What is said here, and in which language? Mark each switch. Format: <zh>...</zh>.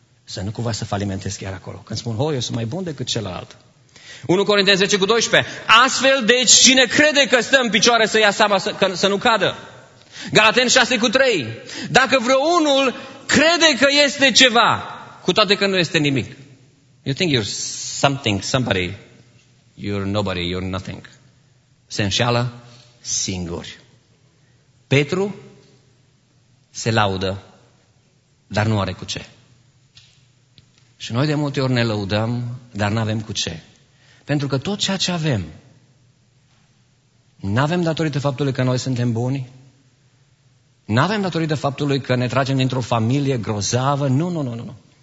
<ro>Să nu cumva să falimentez chiar acolo. Când spun, eu sunt mai bun decât celălalt. 1 Corinteni 10:12. Astfel, deci, cine crede că stă în picioare să ia seama să nu cadă? Galateni 6:3. Dacă vreunul crede că este ceva, cu toate că nu este nimic.</ro> <en>You think you're something, somebody. You're nobody, you're nothing.</en> <ro>Se înșeală singuri. Petru se laudă, dar nu are cu ce. Și noi de multe ori ne lăudăm, dar n-avem cu ce. Pentru că tot ceea ce avem, n-avem datorită faptului că noi suntem buni, n-avem datorită faptului că ne tragem dintr-o familie grozavă, nu.</ro>